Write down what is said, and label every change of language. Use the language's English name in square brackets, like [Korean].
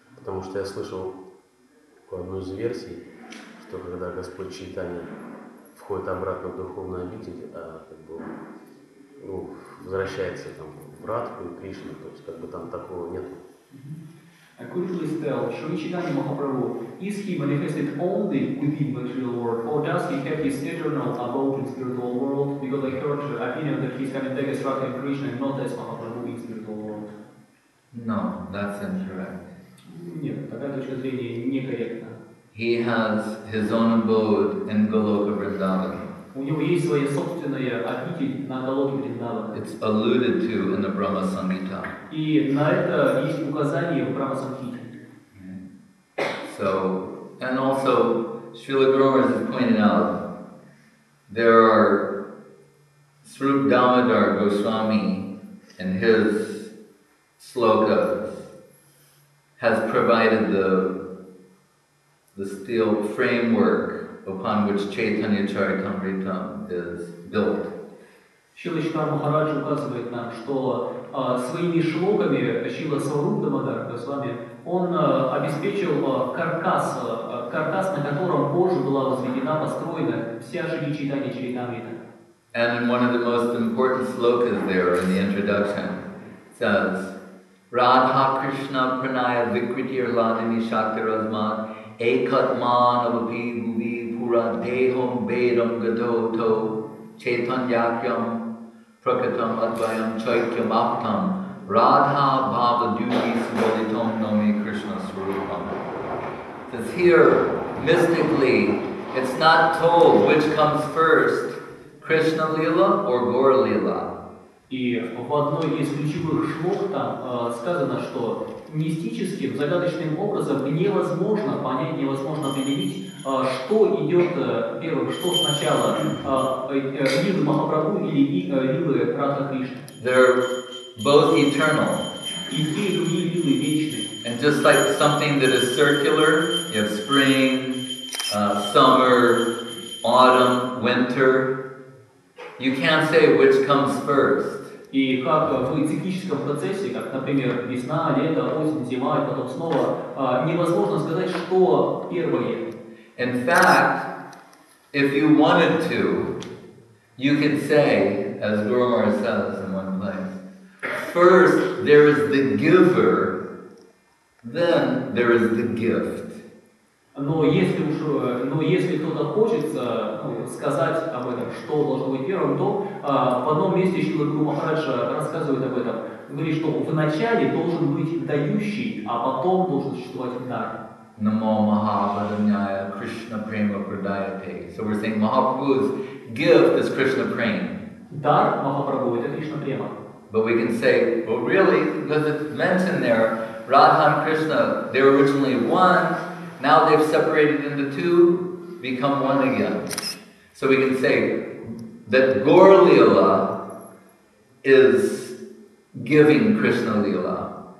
[Russian] Потому что я слышал одну из версий, что когда Господь Чайтанья входит обратно в духовную обитель, а как бы ну, возвращается там в Радху и Кришну, то есть как бы там такого нет. Mm-hmm. [English] I could please tell Sri Chaitanya Mahaprabhu, is he manifested only within material world, or does he have his eternal abode in spiritual world? Because I heard the opinion that he's kind of take a struck in Krishna and not as Mahaprabhu in spiritual world. No, that's incorrect. [Russian] Нет, такая точка зрения некорректна. [English] He has his own abode in Goloka Vrindavan. [Russian] У него есть своя собственная обитель на Голоке Вриндавана. [English] It's alluded to in the Brahma Sangita. [Russian] И на это есть указание в Брахма Сангхите. [English] So, and also, Srila Gurumaharaj has pointed out, there are Srup Damodar Goswami and his slokas has provided the steel framework upon which Chaitanya Charitamrita is built. [Russian] Шрила Чайтанья Махарадж указывает нам, что своими шлоками Шрила Сварупа Дамодар Госвами он обеспечил каркас, на котором позже была возведена, построена вся Шрила Чайтанья Чаритамрита. [English] And one of the most important slokas there in the introduction says, [Sanskrit] Radha Krishna Pranaya Vikritir Ladini Shakti Razmat Ekat Manavapi Bhuvi Dehom Bedam Gato To Chaitanyakyam Prakatam Advayam Chaityam Aptam Radha Bhava Duni Subhaditam Nami Krishna Swarupam. [English] Because here, mystically, it's not told which comes first, Krishna Lila or Gaur Lila. [Russian] И в одной из ключевых шлок там сказано, что мистическим, загадочным образом невозможно понять, невозможно определить, что идет первым, что сначала, Лилы Махапрабху или Лилы Радха Кришны. [English] They're both eternal. [Russian] И те, и другие Лилы вечны. [English] And just like something that is circular, you have spring, summer, autumn, winter, you can't say which comes first. [Russian] И как в циклическом процессе, как, например, весна, лето, осень, зима, и потом снова, невозможно сказать, что первое. [English] In fact, if you wanted to, you could say, as Guru Maharaj says in one place, first there is the giver, then there is the gift. [Russian] Но если кто-то хочет сказать об этом, что должно быть первым, то в одном месте Шрила Гуру Махарадж рассказывает об этом. Говорит, что вначале должен быть дающий, а потом должен существовать дар. [Sanskrit] Намо Махабхадняя Кришна Према Прадайте. [English] So we're saying Mahaprabhu's gift is Krishna Prema. [Russian] Дар Махапрабху – это Кришна Према. [English] But we can say, well, really, because it's mentioned there, Radha and Krishna, they're originally one, now they've separated into two, become one again. So we can say that Gaura-lila is giving Krishna-lila.